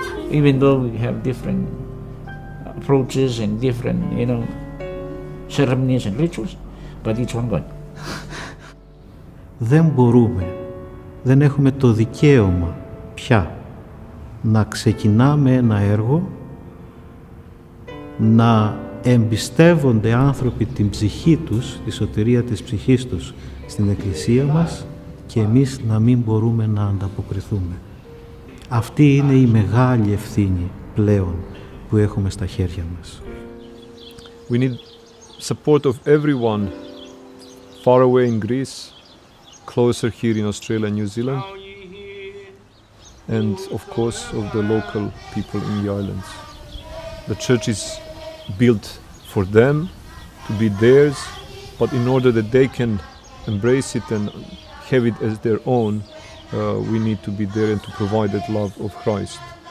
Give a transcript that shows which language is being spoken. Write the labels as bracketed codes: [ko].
[en] Even though we have different approaches and different, you know, ceremonies and rituals, but it's one God. [el] Δεν μπορούμε. Δεν έχουμε το δικαίωμα πια να ξεκινάμε ένα έργο, να εμπιστεύονται άνθρωποι την ψυχή τους, τη σωτηρία της ψυχής τους στην Εκκλησία μας και εμείς να μην μπορούμε να ανταποκριθούμε. Αυτή είναι η μεγάλη ευθύνη πλέον που έχουμε στα χέρια μας. [en] We need support of everyone far away in Greece, closer here in Australia and New Zealand, and of course of the local people in the islands. The church is built for them to be theirs, but in order that they can embrace it and have it as their own, we need to be there and to provide that love of Christ.